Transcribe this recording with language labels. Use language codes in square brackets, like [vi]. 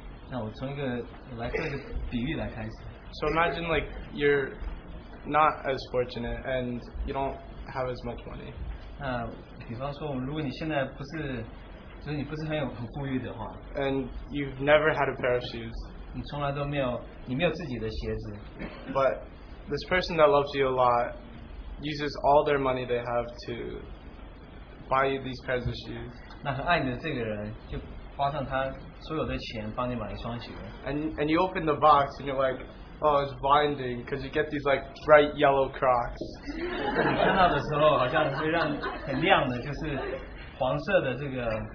[zh] 那我从一个比喻来开始。 [en] So imagine like you're not as fortunate and you don't have as much money. [zh] 那比方说，如果你现在不是，就是你不是很有很富裕的话。 [en] And you've never had a pair of shoes. [zh] 你从来都没有，你没有自己的鞋子。 [en] But this person that loves you a lot uses all their money they have to buy you these pairs of shoes. [zh] 那很爱你的这个人就花上他所有的钱帮你买一双鞋。 [en] And you open the box and you're like, oh, it's binding because you get these like bright yellow Crocs. [zh] 你看到的时候好像会让很亮的就是黄色的这个